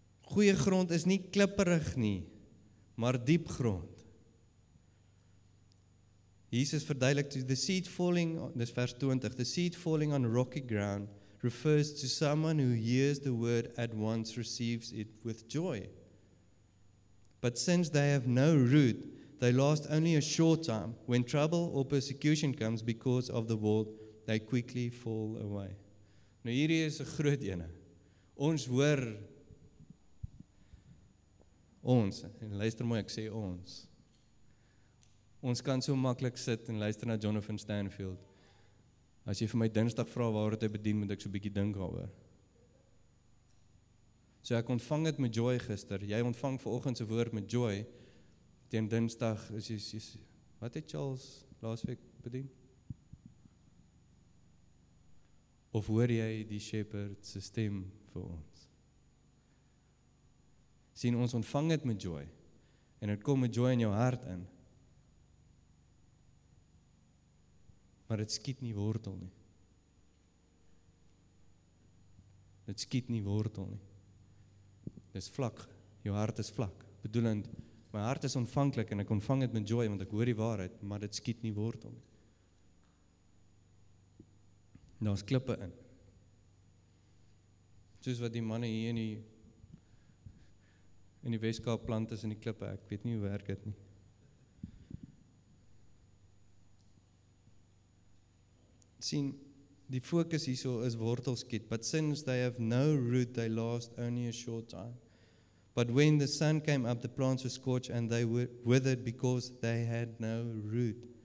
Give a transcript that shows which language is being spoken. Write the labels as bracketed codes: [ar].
[af] Goeie grond is nie klipperig nie, maar diep grond. Jesus verduidelik [en] to the seed falling, [af] dis vers 20, [en] the seed falling on rocky ground refers to someone who hears the word at once receives it with joy. But since they have no root, they last only a short time. When trouble or persecution comes because of the word, they quickly fall away. [af] Nou hierdie is 'n groot ene. Ons hoor ons, en luister mooi, ek sê ons. Ons kan so maklik sit en luister na Jonathan Stanfield. As jy vir my Dinsdag vra waar het hy bedien, moet ek so 'n bietjie dink daaroor. So ek ontvang het met joy gister. Jy ontvang vanoggend se woord met joy. Teen Dinsdag is jy, wat het Charles laas week bedien? Of hoor jy die shepherd se stem vir ons? Sien, ons ontvang het met joy, en het kom met joy in jou hart in. Maar het skiet nie wortel nie. Het skiet nie wortel nie. Dit is vlak, jou hart is vlak, bedoelend, my hart is ontvanklik en ek ontvang het met joy, want ek hoor die waarheid, maar dit skiet nie wortel. Daar is klippe in. Soos wat die manne hier in die Weskaap plant is in die klippe, ek weet nie hoe werk dit nie. Sien, die focus hierso is wortelskiet, [en] but since they have no root, they last only a short time. But when the sun came up, the plants were scorched and they withered because they had no root.